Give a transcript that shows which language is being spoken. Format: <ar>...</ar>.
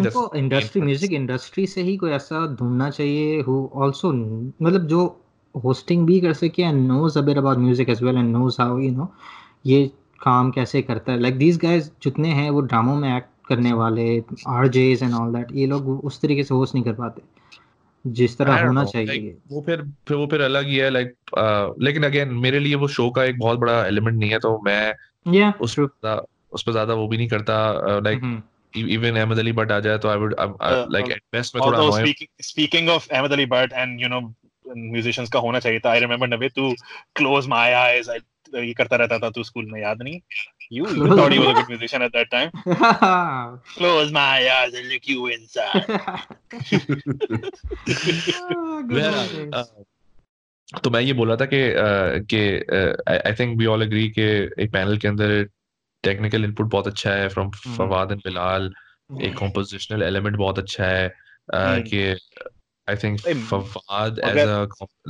<hi>उनको industry music industry से ही कोई ऐसा ढूंढना चाहिए हु आल्सो मतलब जो होस्टिंग भी कर सके</hi> <en>and knows a bit about music as well and knows how you know</en> <hi>ये काम कैसे करता है लाइक दीज गाइज जितने हैं वो ड्रामों में एक्ट करने वाले</hi> <en>RJs and all that,</en> <hi>ये लोग उस तरीके से होस्ट नहीं कर पाते जिस तरह होना चाहिए. वो फिर अलग ही है like, लेकिन अगेन मेरे लिए वो शो का एक बहुत बड़ा एलिमेंट नहीं है तो मैं उस पे ज्यादा वो भी नहीं करता like, even Ahmed Ali Bhatt आ जाए तो</hi> <en>speaking of Ahmed Ali Bhatt and you know musicians</en> <hi>का होना चाहिए था. I remember Navaid, तू</hi> <en>close my eyes</en> <hi>ये करता रहता था तू स्कूल में याद नहीं.</hi> <en>You thought he was a good musician at that time. Close my eyes and look you inside.</en> <hi>तो मैं ये बोला था कि</hi> <en>I think we all agree</en> <hi>कि एक पैनल के अंदर टेक्निकल इनपुट बहुत अच्छा है फ्रॉम फवाद एंड बिलाल एक कंपोजिशनल एलिमेंट बहुत अच्छा है कि</hi> <en>I think Fawad as a</en>